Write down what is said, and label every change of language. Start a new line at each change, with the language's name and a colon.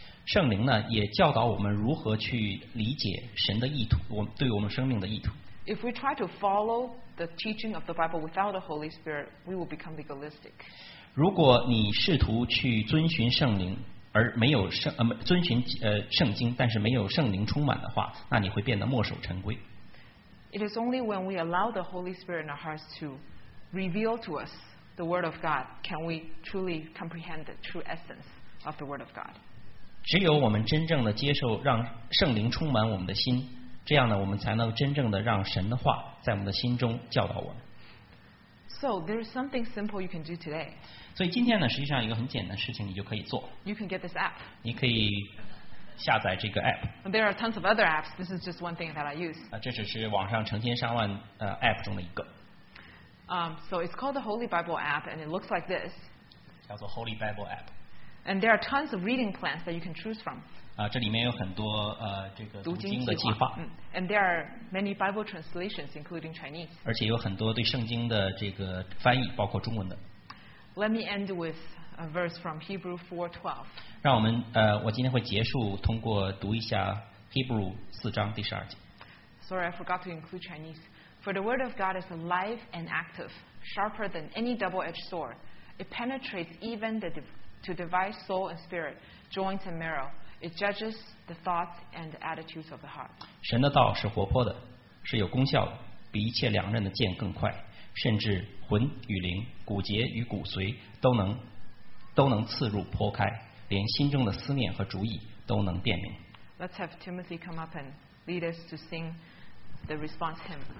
Chinese: 圣灵呢，也教导我们如何去理解神的意图，我对我们生命的意图。
English: If we try to follow the teaching of the Bible without the Holy Spirit, we will become legalistic.
Chinese: 如果你试图去遵循圣灵，而没有遵循圣经，但是没有圣灵充满的话，那你会变得墨守成规。
English: It is only when we allow the Holy Spirit in our hearts to reveal to us the Word of God can we truly comprehend the true essence of the Word of God.
Chinese: 只有我们真正的接受让圣灵充满我们的心，这样呢，我们才能真正的让神的话在我们的心中教导我们。
English: So there is something simple you can do today.
Chinese: 所以今天呢，实际上一个很简单的事情你就可以做。
English: You can get this app.
Chinese: 你可以下载这个 app.
English: There are tons of other apps. This is just one thing that I use.
Chinese: 这只是网上成千上万app 中的一个。
English: So it's called the Holy Bible app, and it looks like this.
Chinese: 叫做 Holy Bible app.
English: And there are tons of reading plans that you can choose from.
Chinese: 这里面有很多这个读经的计划。计划
English: And there are many Bible translations, including Chinese.
Chinese: 而且有很多对圣经的这个翻译，包括中文的。
English: Let me end with a verse from Hebrews 4:12.
Chinese: 让我们我今天会结束通过读一下 Hebrews 四章第十二节。
English: Sorry, I forgot to include Chinese. For the word of God is alive and active, sharper than any double-edged sword. It penetrates even to divide soul and spirit, joints and marrow. It judges the thoughts and the attitudes of the heart.
Chinese: 神的道是活泼的，是有功效的，比一切两刃的剑更快，甚至魂与灵、骨节与骨髓都能刺入剖开，连心中的思念和主意都能辨明。
English: Let's have Timothy come up and lead us to sing the response hymn.